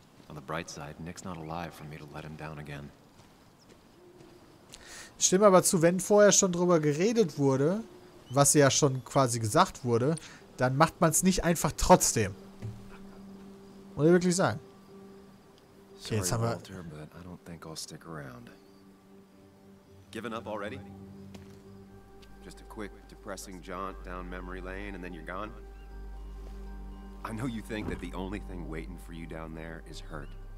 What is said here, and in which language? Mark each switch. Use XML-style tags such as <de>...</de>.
<en>On the bright side, Nick's not alive for me to let him down again.</en> <de>Ich stimme aber zu, wenn vorher schon drüber geredet wurde, was ja schon quasi gesagt wurde, dann macht man es nicht einfach trotzdem. Muss ich wirklich sagen. Okay, jetzt haben wir...</de> <en>Sorry, Walter, but I don't think I'll stick around. Given up already? Just a quick, depressing jaunt down memory lane and then you're gone? I know you think that the only thing waiting for you down there is hurt.</en>